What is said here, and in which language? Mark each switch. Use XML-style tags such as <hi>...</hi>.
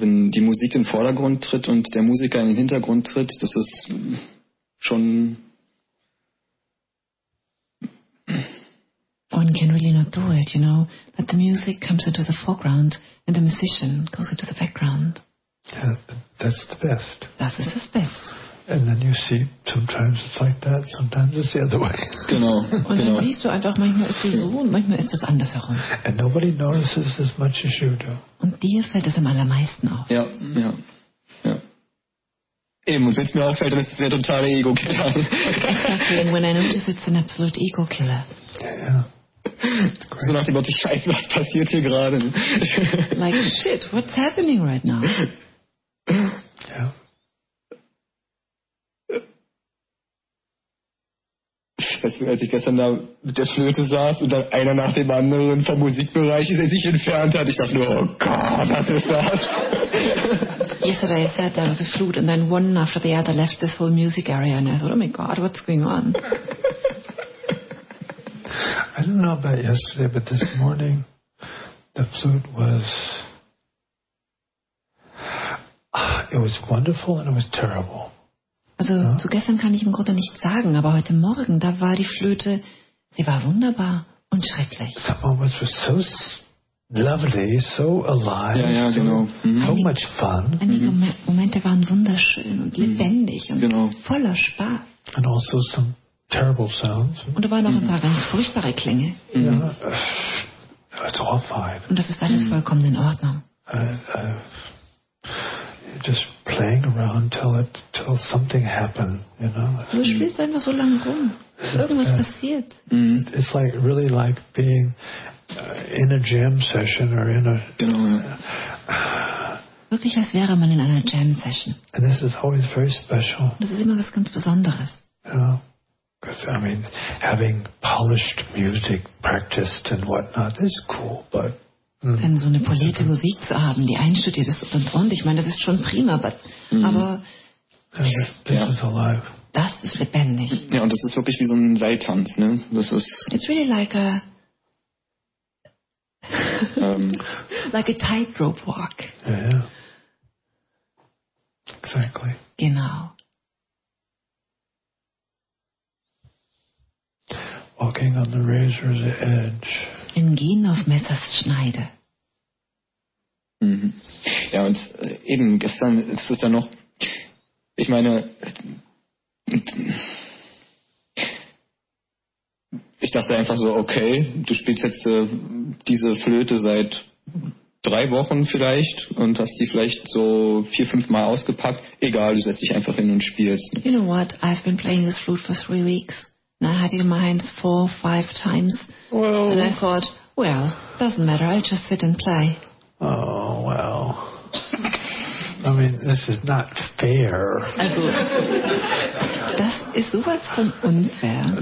<de>Wenn die Musik in den Vordergrund tritt und der Musiker in den Hintergrund tritt, das ist schon...</de> <en>One can really not do it, you know. But the music comes into the foreground and the musician goes into the background. Yeah, that's the best.</en> <de>Das ist das Beste.</de> <en>And then you see, sometimes it's like that, sometimes it's the other way.</en> <de>Genau. Und dann genau. Siehst du einfach, manchmal ist es so und manchmal ist es andersherum.</de> <en>And nobody notices as much as you do.</en> <de>Und dir fällt es am allermeisten auf. Ja, ja, ja. Eben, und wenn es mir auffällt, dann ist es der totale Ego-Killer.</de> <en>Exactly, and when I notice, it's an absolute Ego-Killer.</en> <de>Ja, ja. So nach dem Motto, Scheiße, was passiert hier gerade?</de> <en>Like, shit, what's happening right now?</en> <de>Ja. Als ich gestern da mit der Flöte saß und dann einer nach dem anderen vom Musikbereich sich entfernt hat, ich dachte nur, oh Gott, was ist das?</de> <en>Yesterday I sat there with a flute and then one after the other left this whole music area and I thought, oh my God, what's going on? I don't know about yesterday, but this morning the flute was... It was wonderful and it was terrible.</en> <de>Also ja. Zu gestern kann ich im Grunde nichts sagen, aber heute Morgen, da war die Flöte, sie war wunderbar und schrecklich.</de> <en>Someone was so lovely, so alive,</en> <de>ja, ja, genau.</de> <en>So much fun.</en> <de>Einige Momente waren wunderschön und lebendig und genau. Voller Spaß.</de> <en>And also some terrible sounds.</en> <de>Und da waren auch ein paar ganz furchtbare Klänge.</de> <en>Ja, it's all fine.</en> <de>Und das ist alles vollkommen in Ordnung.</de> <en>Just playing around till something happened, you know.</en> <de>Du spielst einfach so lange rum, irgendwas passiert.</de> <en>It's like really like being in a jam session or in a.</en> <de>Genau. Wirklich, als wäre man in einer jam session.</de> <en>And this is always very special.</en> <de>Das ist immer was ganz Besonderes.</de> <en>You know, because I mean, having polished music practiced and whatnot is cool, but.</en> <de>Denn so eine polierte Musik zu haben, die einstudiert ist und ich meine, das ist schon prima, aber das ist lebendig. Ja, und das ist wirklich wie so ein Seiltanz, ne? Das ist.</de> <en>It's really like a like a tightrope walk. Yeah, yeah. Exactly.</en> <de>Genau.</de> <en>Walking on the razor's edge.</en> <de>Im Gehen auf Messers Schneide. Ja, und eben gestern ist es dann noch, ich meine, ich dachte einfach so, okay, du spielst jetzt diese Flöte seit 3 Wochen vielleicht und hast die vielleicht so 4-5 Mal ausgepackt. Egal, du setzt dich einfach hin und spielst.</de> <en>You know what? I've been playing this flute for 3 weeks. And I had it in my hands 4-5 times. Well. And I thought, well, doesn't matter. I'll just sit and play. Oh, well. I mean, this is not fair.</en> <de>Also, das ist sowas von unfair.</de>